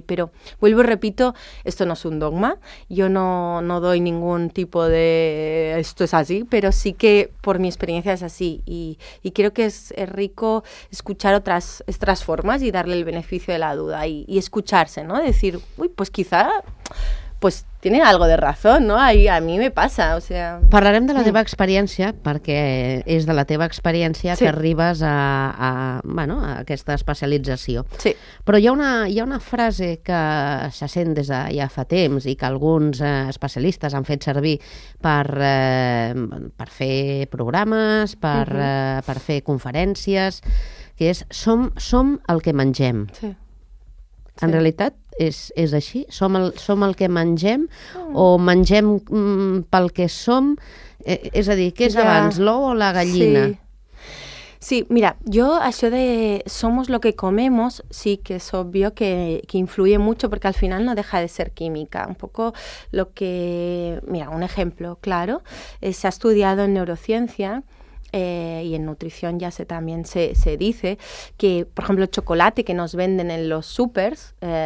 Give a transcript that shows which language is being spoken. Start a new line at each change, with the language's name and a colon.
Spanish: Pero vuelvo y repito, esto no es un dogma, yo no doy ningún tipo de esto es así, pero sí que por mi experiencia es así, y creo que es rico escuchar otras formas y darle el beneficio de la duda y escucharse, ¿no? Decir, uy, pues quizá, pues tiene algo de razón, ¿no? A mí me pasa, o sea...
Catalan: Parlarem de la teva experiència, perquè és de la teva experiència, sí, que arribes bueno, a aquesta especialització. Sí. Però hi ha una frase que se sent des de ja fa temps i que alguns especialistes han fet servir per fer programes, per fer conferències, que és som el que mengem. Sí. En realitat, és així? Som el que mengem o mengem pel que som? És a dir, què és abans, l'ou o la gallina? Sí.
Spanish: Sí, mira, yo això de somos lo que comemos, sí que es obvio que influye mucho, porque al final no deja de ser química. Un poco lo que... Mira, un ejemplo claro. Se ha estudiado en neurociencia y en nutrición ya se dice que, por ejemplo, el chocolate que nos venden en los supers